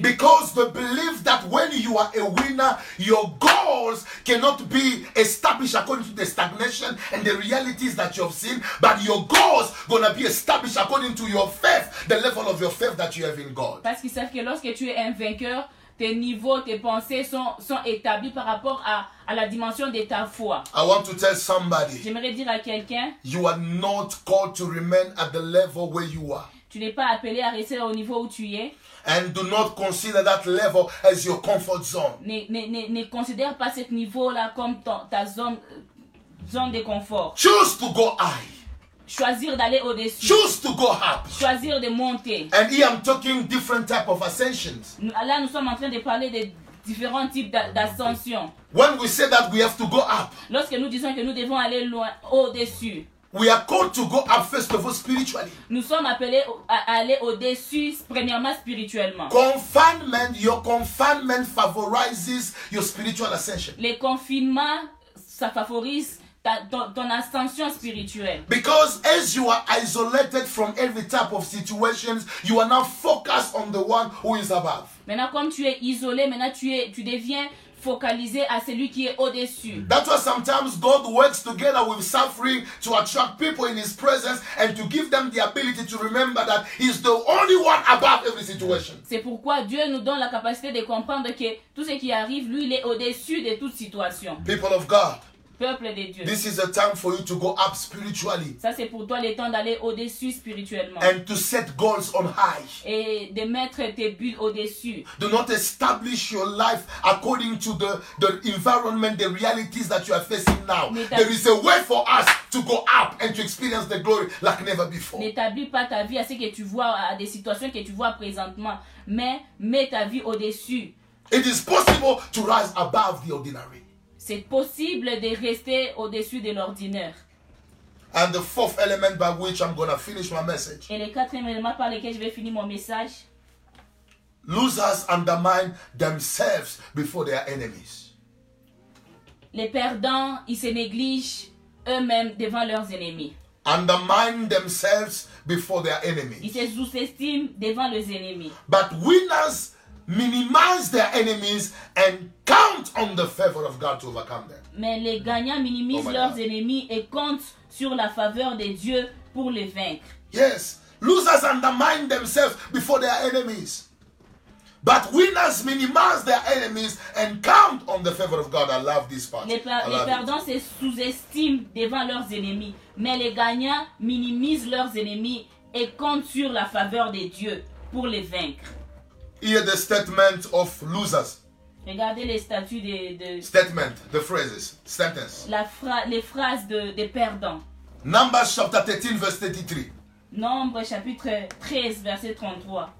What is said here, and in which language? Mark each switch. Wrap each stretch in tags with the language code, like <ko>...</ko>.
<en>Because they believe that when you are a winner, your goals cannot be established according to the stagnation and the realities that you have seen, but your goals gonna be established according to your faith, the level of your faith that you have in God.</en> <fr>Parce qu'ils savent que lorsque tu es un vainqueur, tes niveaux, tes pensées sont établis par rapport à la dimension de ta foi.</fr> <en>I want to tell somebody,</en> <fr>j'aimerais dire à quelqu'un,</fr> <en>you are not called to remain at the level where you are.</en> <fr>Tu n'es pas appelé à rester au niveau où tu es.</fr> <en>And do not consider that level as your comfort zone.</en> <fr>Ne considère pas ce niveau-là comme ta zone de confort.</fr> <en>Choose to go high.</en> <fr>Choisir d'aller au-dessus.</fr> <en>Choose to go up.</en> <fr>Choisir de monter.</fr> <en>And here I'm talking different type of ascensions.</en> <fr>Là, nous sommes en train de parler de différents types d'ascensions.</fr> <en>When we say that we have to go up.</en> <fr>Lorsque nous disons que nous devons aller loin, au-dessus.</fr> <en>We are called to go up first of all spiritually.</en> <fr>Nous sommes appelés à aller au-dessus premièrement spirituellement.</fr> <en>Confinement, your confinement favorizes your spiritual ascension.</en> <fr>Le confinement, ça favorise ton ascension spirituelle.</fr> <en>Because as you are isolated from every type of situations, you are now focused on the one who is above.</en> <fr>Maintenant, comme tu es isolé, maintenant tu deviens focalisé à celui qui est au-dessus.</fr> <en>That's why sometimes God works together with suffering to attract people in His presence and to give them the ability to remember that He's the only one above every situation.</en> <fr>C'est pourquoi Dieu nous donne la capacité de comprendre que tout ce qui arrive, lui, il est au-dessus de toute situation.</fr> <en>People of God.</en> <fr>Peuple de Dieu.</fr> <en>This is a time for you to go up spiritually.</en> <fr>Ça c'est pour toi le temps d'aller au-dessus spirituellement.</fr> <en>And to set goals on high.</en> <fr>Et de mettre tes buts au-dessus.</fr> <en>Do not establish your life according to the environment, the realities that you are facing now. There is a way for us to go up and to experience the glory like never before.</en> <fr>N'établis pas ta vie à ce que tu vois, à des situations que tu vois présentement, mais mets ta vie au-dessus.</fr> <en>It is possible to rise above the ordinary.</en> <fr>C'est possible de rester au-dessus de l'ordinaire.</fr> <en>And the fourth element by which I'm going to finish my message.</en> <fr>Et le quatrième élément par lequel je vais finir mon message.</fr> <en>Losers undermine themselves before their enemies.</en> <fr>Les perdants, ils se négligent eux-mêmes devant leurs ennemis.</fr> <en>Undermine themselves before their enemies.</en> <fr>Ils se sous-estiment devant leurs ennemis.</fr> <en>But winners minimize their enemies and count on the favor of God to overcome them.</en> <fr>Mais les gagnants minimisent leurs ennemis et comptent sur la faveur de Dieu pour les vaincre.</fr> <en>Yes, losers undermine themselves before their enemies. But winners minimize their enemies and count on the favor of God. I love this part.</en> <fr>Les perdants se sous-estiment devant leurs ennemis, mais les gagnants minimisent leurs ennemis et comptent sur la faveur de Dieu pour les vaincre.</fr> <en>Hear the statement of losers.</en> <fr>Regardez les statuts de</fr> <en>statement, the phrases, sentence.</en> <fr>Les phrases de perdants.</fr> <en>Numbers chapter 13 verse 33.</en> <fr>Nombres chapitre 13 verset 33.</fr>